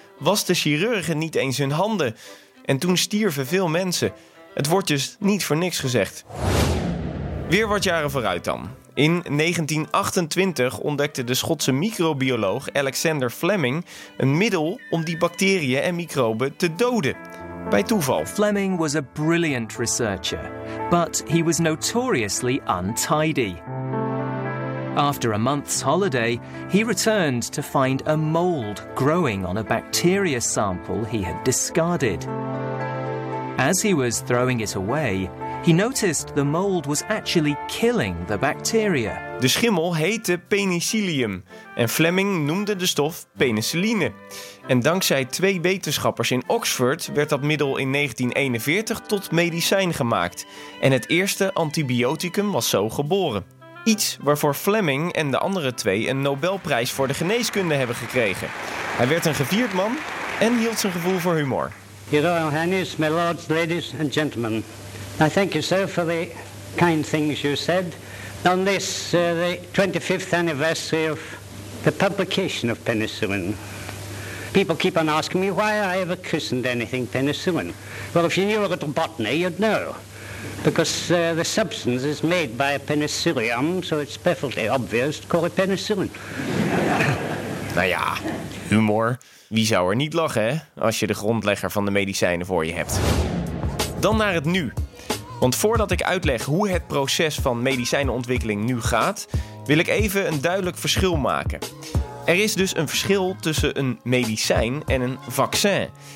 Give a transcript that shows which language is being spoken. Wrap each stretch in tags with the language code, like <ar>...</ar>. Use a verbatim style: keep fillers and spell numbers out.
<nl>was de chirurgen niet eens hun handen. En toen stierven veel mensen. Het wordt dus niet voor niks gezegd. Weer wat jaren vooruit dan. In negentien achtentwintig ontdekte de Schotse microbioloog Alexander Fleming... een middel om die bacteriën en microben te doden. Bij toeval.</nl> <en>Fleming was a brilliant researcher, but he was notoriously untidy. After a month's holiday, he returned to find a mold growing on a bacteria sample he had discarded. As he was throwing it away, he noticed the mold was actually killing the bacteria.</en> <nl>De schimmel heette penicillium en Fleming noemde de stof penicilline. En dankzij twee wetenschappers in Oxford werd dat middel in negentien eenenveertig tot medicijn gemaakt. En het eerste antibioticum was zo geboren. Iets waarvoor Fleming en de andere twee een Nobelprijs voor de geneeskunde hebben gekregen. Hij werd een gevierd man en hield zijn gevoel voor humor.</nl> <en>Your Royal Highness, my lords, ladies and gentlemen. I thank you, sir, for the kind things you said on this, uh, the twenty-fifth anniversary of the publication of penicillin. People keep on asking me why I ever christened anything penicillin. Well, if you knew a little botany, you'd know. Because uh, the substance is made by a penicillium, so it's perfectly obvious to call it penicillin.</en> <nl>Nou ja, humor. Wie zou er niet lachen, hè? Als je de grondlegger van de medicijnen voor je hebt. Dan naar het nu. Want voordat ik uitleg hoe het proces van medicijnenontwikkeling nu gaat, wil ik even een duidelijk verschil maken. Er is dus een verschil tussen een medicijn en een vaccin.</nl>